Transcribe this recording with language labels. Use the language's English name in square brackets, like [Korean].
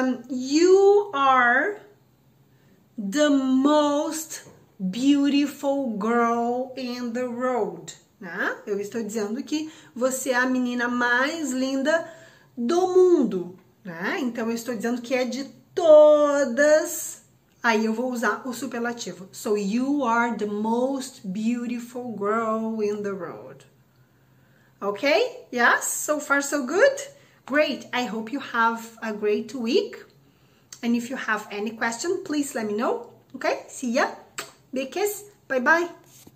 [English] You are the most beautiful girl in the world. [Portuguese] Eu estou dizendo que você é a menina mais linda do mundo. Então, eu estou dizendo que é de todas. Aí eu vou usar o superlativo. [English] So, you are the most beautiful girl in the world. Ok? Yes? So far, so good? Great. I hope you have a great week. And if you have any question, please let me know. Ok? See ya. Big kiss. Bye-bye.